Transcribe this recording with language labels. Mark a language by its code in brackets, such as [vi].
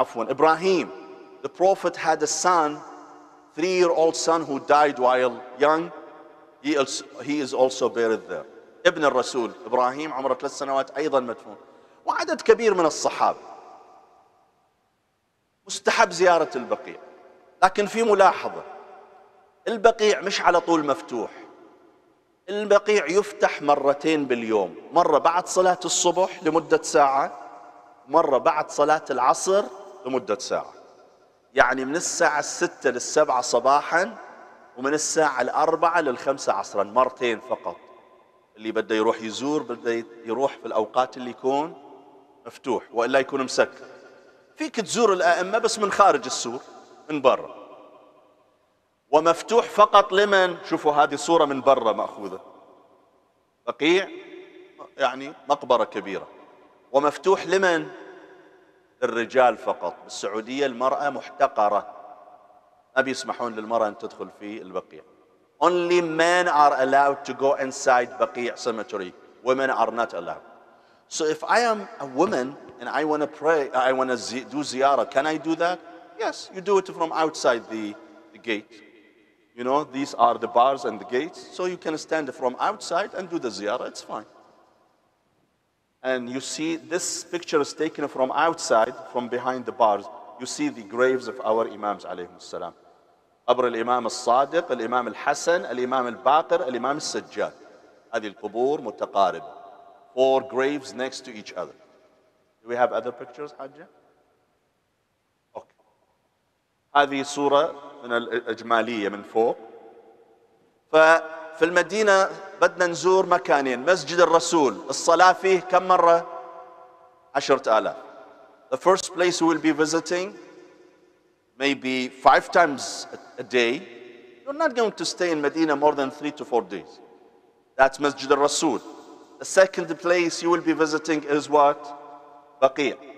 [en] Ibrahim, the Prophet had a son, three-year-old son who died while young. He is also buried there. [ar] Ibn al-Rasul, Ibrahim, عمره 3 سنوات, أيضا مدفون. وعدد كبير من الصحابة. مستحب زيارة البقيع. لكن في ملاحظة. البقيع مش على طول مفتوح. البقيع يفتح مرتين باليوم. مرة بعد صلاة الصبح لمدة ساعة. مرة بعد صلاة العصر لمدة ساعة. يعني من الساعة 6 للـ 7 صباحا ومن الساعة 4 للـ 5 عصرا مرتين فقط اللي بده يروح يزور بده يروح في الأوقات اللي يكون مفتوح وإلا يكون مسكر فيك تزور الأئمة بس من خارج السور من برا ومفتوح فقط لمن شوفوا هذه صورة من برا مأخوذة بقيع يعني مقبرة كبيرة ومفتوح لمن الرجال فقط بالسعودية المرأة محتقرة أبي يسمحون للمرأة أن تدخل في البقيع. [en] Only men are allowed to go inside بقيع cemetery. Women are not allowed. So if I am a woman and I want to pray, I want to do ziyara, can I do that? Yes, you do it from outside the gate. You know, these are the bars and the gates. So you can stand from outside and do the ziyara. It's fine. And you see, this picture is taken from outside, from behind the bars. You see the graves of our imams, alayhim as-salam. [ar] قبر الإمام الصادق, الإمام الحسن, الإمام الباقر, الإمام السجاد. هذه القبور متقاربة. [en] Four graves next to each other. Do we have other pictures, حاجة? [ar] Okay. هذه صورة من الإجمالية من فوق. ففي المدينة بدنا نزور مكانين، مسجد الرسول الصلاة فيه كم مرة؟ 10,000. [en] The first place we will be visiting maybe 5 times a day. You're not going to stay in Medina more than 3 to 4 days. That's Masjid al-Rasul. The second place you will be visiting is what? Baqiyah.